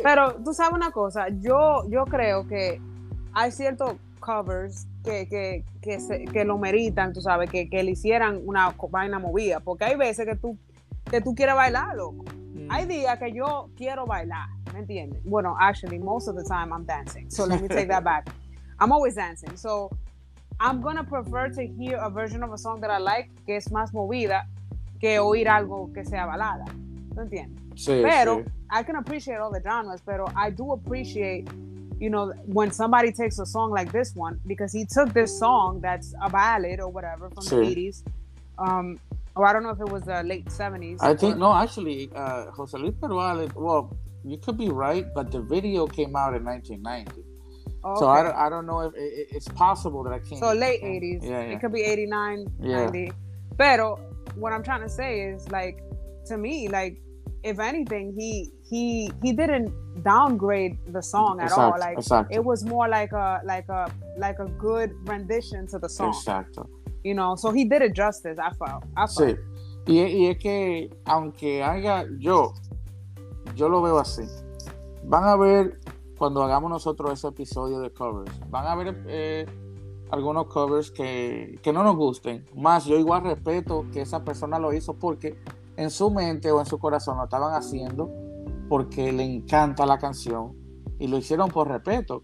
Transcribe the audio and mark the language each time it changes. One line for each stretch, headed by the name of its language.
Spanish: Pero tú sabes una cosa, yo creo que hay ciertos covers que lo meritan, tú sabes, que le hicieran una vaina movida, porque hay veces que tú quieres bailar, loco. Mm. Hay días que yo quiero bailar, ¿me entiendes?
English: Bueno, actually, most of the time I'm dancing, so let me take that back. I'm always dancing, so I'm gonna prefer to hear a version of a song that I like, que es más movida, que oír algo que sea balada, ¿me entiendes?
Spanish: Sí, pero, sí.
English: I can appreciate all the genres, pero I do appreciate, you know, when somebody takes a song like this one, because he took this song that's a ballad or whatever from sí. the 80s, or I don't know if it was the late 70s. I think, no, actually, José Luis Perales, well, you could be right, but the video came out in 1990. Okay. So I don't know if it's possible that I can't. So late 80s. Yeah, yeah. It could be 89, yeah. 90. Pero what I'm trying to say is, like, to me, like, if anything, he didn't downgrade the song at
Spanish: exacto,
English: all. Like
Spanish: exacto.
English: it was more like a good rendition to the song.
Spanish: Exacto.
English: You know, so he did it justice. I felt.
Spanish: Sí. Y es que aunque haga yo lo veo así. Van a ver cuando hagamos nosotros ese episodio de covers. Van a ver algunos covers que no nos gusten. Más yo igual respeto que esa persona lo hizo porque en su mente o en su corazón lo estaban haciendo porque le encanta la canción y lo hicieron por respeto.